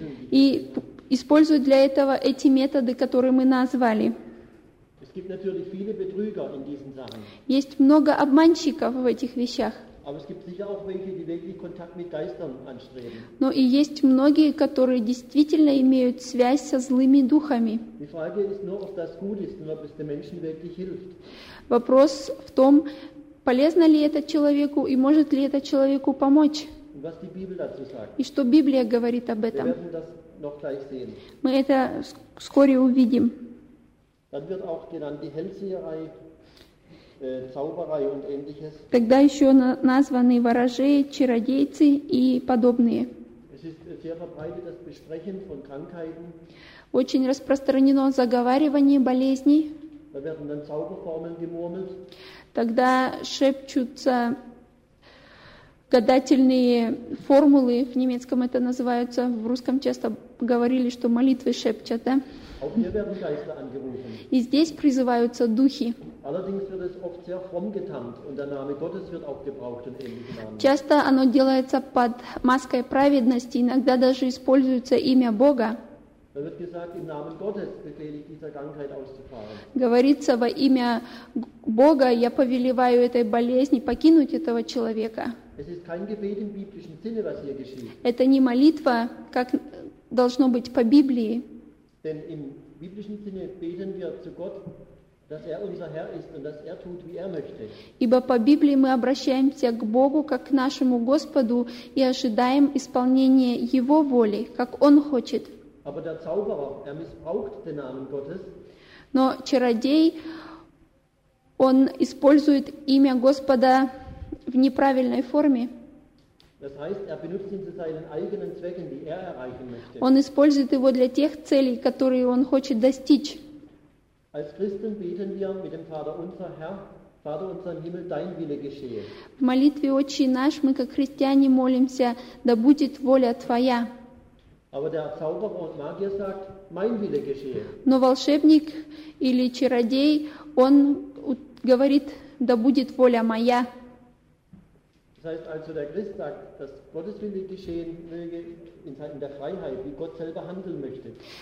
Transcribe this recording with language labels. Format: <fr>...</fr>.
<ru>И использует для этого эти методы, которые мы назвали.</ru> <de>Es gibt natürlich viele Betrüger in diesen Sachen.</de> <ru>Есть много обманщиков в этих вещах.</ru> <de>Aber es gibt sicher auch welche, die wirklich Kontakt mit Geistern anstreben.</de> <ru>Но и есть многие, которые действительно имеют связь со злыми духами.</ru> <de>Die Frage ist nur, ob das gut ist und ob es den Menschen wirklich hilft.</de> <ru>Вопрос в том, полезно ли это человеку и может ли это человеку помочь.</ru> <de>Und was die Bibel dazu sagt.</de> <ru>И что Библия говорит об этом.</ru> <de>Wir werden das noch gleich sehen.</de> <ru>Мы это вскоре увидим.</ru> <de>Dann wird auch genannt die Hellseherei. Zauberei und ähnliches.</de> <ru>Тогда еще названы ворожеи, чародейцы и подобные.</ru> <de>Es ist sehr verbreitet, das Besprechen von Krankheiten.</de> <ru>Очень распространено заговаривание болезней.</ru> <de>Da werden dann Zauberformeln gemurmelt.</de> <ru>Тогда шепчутся гадательные формулы, в немецком это называются, в русском часто говорили, что молитвы шепчут, да?</ru> <de>Auch hier werden Geister angerufen.</de> <ru>И здесь призываются духи.</ru> <de>Allerdings wird es oft sehr fromm getarnt und der Name Gottes wird auch gebraucht und ähnliche Namen.</de> <ru>Часто оно делается под маской праведности, иногда даже используется имя Бога.</ru> <de>Da wird gesagt, im Namen Gottes befehle ich dieser Krankheit auszufahren.</de> <ru>Говорится, во имя Бога я повелеваю этой болезни покинуть этого человека.</ru> <de>Es ist kein Gebet im biblischen Sinne, was hier geschieht.</de> <ru>Это не молитва, как должно быть по Библии.</ru> <de>Denn im biblischen Sinne beten wir zu Gott. Dass er unser Herr ist und dass er tut, wie er möchte.</de> <ru>Ибо по Библии мы обращаемся к Богу, как к нашему Господу, и ожидаем исполнения Его воли, как Он хочет.</ru> <de>Aber der Zauberer, er missbraucht den Namen Gottes.</de> <ru>Но чародей, он использует имя Господа в неправильной форме.</ru> <de>Das heißt, er benutzt ihn zu seinen eigenen Zwecken, die er erreichen möchte.</de> <ru>Он использует его для тех целей, которые он хочет достичь.</ru> <de>Als Christen beten wir mit dem Vater unser Herr, Vater unser im Himmel, dein Wille geschehe.</de> <ru>В молитве Отче наш мы как христиане молимся, да будет воля твоя.</ru> <de>Aber der Zauberer und Magier sagt, mein Wille geschehe.</de> <ru>Но волшебник или чародей, он говорит, да будет воля моя.</ru> <de>Das heißt also, der Christ sagt, dass Gottes Wille geschehen möge in Zeiten der Freiheit, wie Gott selber handeln möchte.</de>